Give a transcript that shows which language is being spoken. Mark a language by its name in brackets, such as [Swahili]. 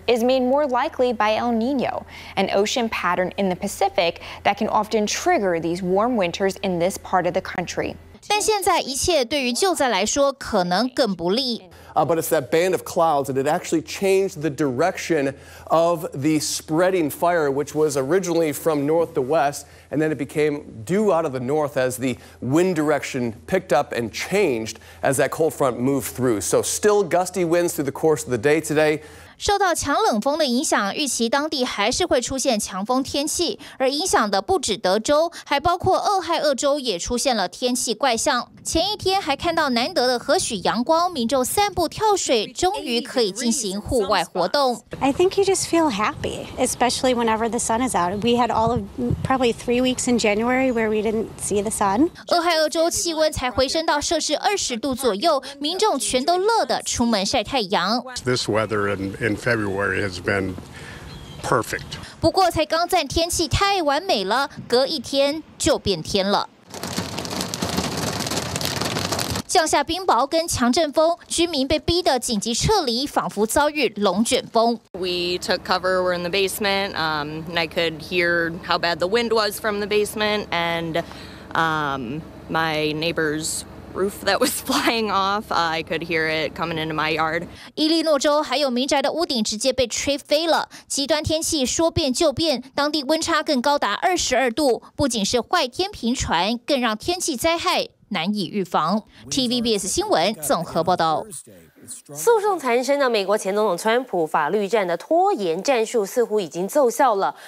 [English] is made more likely by El Nino, an ocean pattern in the Pacific that can often trigger these warm winters in this part of the country. [Chinese] 但现在一切对于救灾来说可能更不利。 [English] but it's that band of clouds, and it actually changed the direction of the spreading fire, which was originally from north to west, and then it became due out of the north as the wind direction picked up and changed as that cold front moved through. So still gusty winds through the course of the day today. [Chinese] 受到强冷风的影响，预期当地还是会出现强风天气，而影响的不止德州，还包括俄亥俄州也出现了天气怪象。前一天还看到难得的何许阳光，民众散步跳水，终于可以进行户外活动。 [English] I think you just feel happy, especially whenever the sun is out. We had all of probably 3 weeks in January where we didn't see the sun. [Chinese] 俄亥俄州气温才回升到摄氏20度左右，民众全都乐得出门晒太阳。 [English] This weather in February has been perfect. [Chinese] 不过才刚赞天气太完美了，隔一天就变天了。降下冰雹跟强阵风，居民被逼得紧急撤离，仿佛遭遇龙卷风。 [English] We took cover, we're in the basement, and I could hear how bad the wind was from the basement, and my neighbors. Roof that was flying off, I could hear it coming into my yard. [Chinese] 伊利诺州还有民宅的屋顶直接被吹飞了。极端天气说变就变，当地温差更高达22度，不仅是坏天频传，更让天气灾害难以预防。 TVBS 新闻综合报道。诉讼缠身的美国前总统川普法律战的拖延战术似乎已经奏效了。